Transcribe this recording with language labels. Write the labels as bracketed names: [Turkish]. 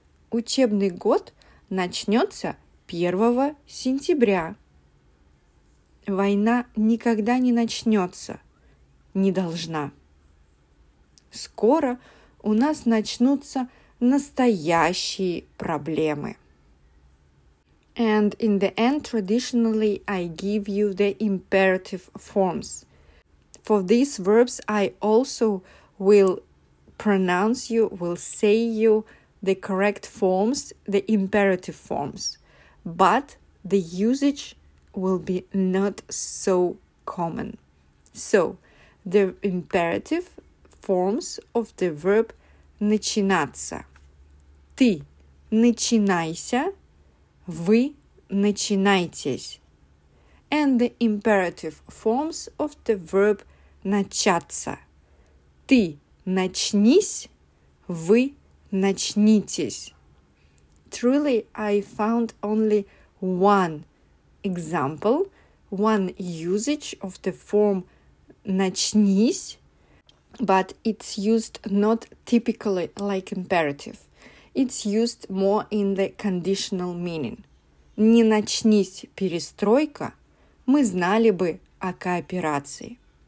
[Russian] Учебный год начнется 1 сентября. Война никогда не начнется, не должна. Скоро у нас начнутся настоящие проблемы. [English] And in the end, traditionally, I give you the imperative forms. For these verbs, I also will pronounce you, will say you the correct forms, the imperative forms. But the usage will be not so common. So, the imperative forms of the verb начинаться. [Russian] Ты начинайся. Вы начинайтесь. [English] And the imperative forms of the verb начаться. [Russian] Ты начнись, вы начнитесь. [English] Truly, I found only one example, one usage of the form начнись, but it's used not typically like imperative. It's used more in the conditional meaning. [Russian] Не начнись перестройка, мы знали бы о кооперации.